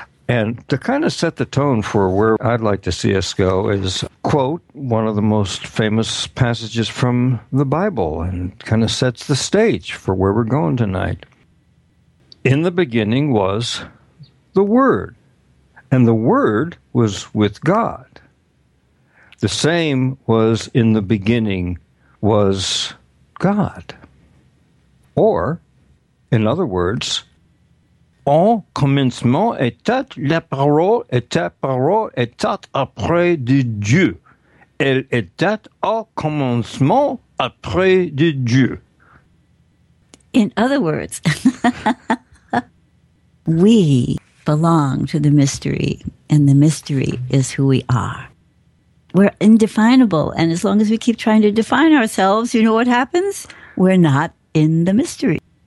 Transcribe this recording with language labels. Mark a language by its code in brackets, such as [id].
[en] And to kind of set the tone for where I'd like to see us go is, quote, one of the most famous passages from the Bible, and kind of sets the stage for where we're going tonight. In the beginning was the Word, and the Word was with God. The same was in the beginning was God. Or, in other words, [fr] en commencement était la parole, était parole, était auprès de Dieu. Elle était au commencement auprès de Dieu. [en] In other words, we belong to the mystery, and the mystery is who we are. We're indefinable, and as long as we keep trying to define ourselves, you know what happens? We're not in the mystery.